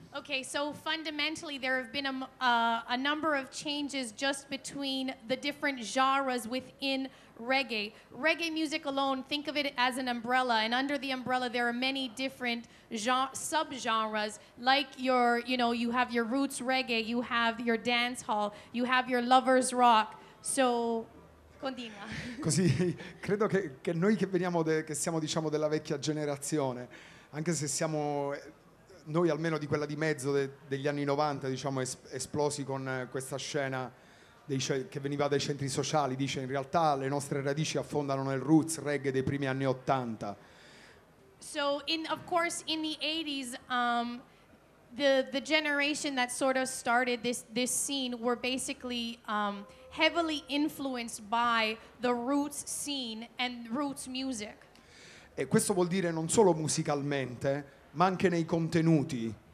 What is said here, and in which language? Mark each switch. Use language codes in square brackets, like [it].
[en] Okay, so fundamentally there have been a number of changes just between the different genres within reggae. Reggae music alone, think of it as an umbrella, and under the umbrella there are many different sub-genres, like your, you know, you have your roots reggae, you have your dance hall, you have your lovers rock. [it] So, continua. [en] Così, credo che noi che veniamo, che siamo, diciamo, della vecchia generazione, anche se siamo noi almeno di quella di mezzo degli anni 90, diciamo, esplosi con questa scena che veniva dai centri sociali, dice, in realtà le nostre radici affondano nel roots reggae dei primi anni 80. So in, of course, in the 80s the generation that sort of started this scene were basically heavily influenced by the roots scene and roots music. [it] E questo vuol dire non solo musicalmente, ma anche nei contenuti.